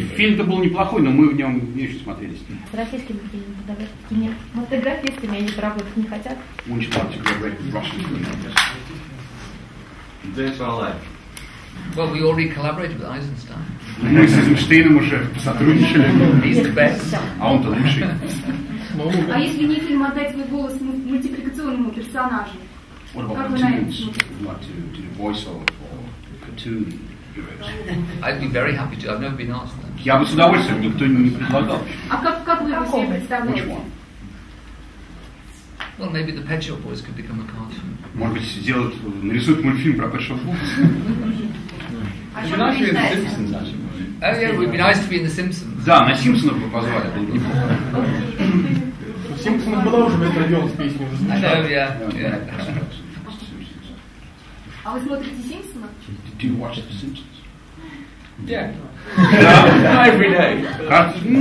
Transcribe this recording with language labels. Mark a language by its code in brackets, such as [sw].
[ru] Фильм-то был неплохой, но мы в нем не очень смотрелись. С российскими кинематографистами они работать не хотят. [en] We need to talk to the Russian film. That's our life. Well, we already collaborated with Eisenstein. [ru] Мы с Эйзенштейном уже сотрудничали. [en] He's the best. [ru] А он-то лучший. А если не фильм отдать свой голос мультипликационному персонажу? [en] What about the teams? Like to do voiceover for a cartoon? I'd be very happy to. I've never been asked that. [ru] Я бы с удовольствием, никто не предлагал. А как вы [en] Which one? Well, maybe the Pet Shop Boys could become a cartoon. [ru] Может быть, сделают, нарисуют мультфильм про Pet Shop Boys? [en] Oh yeah, it would be nice to be in the Simpsons. [ru] Да, на Симпсонов бы позвали, было неплохо. Симпсонов была уже в этот район с песней. [en] I know, yeah. [ru] А вы смотрите Симпсонов? [en] Do you watch the Simpsons? Yeah. Not every day.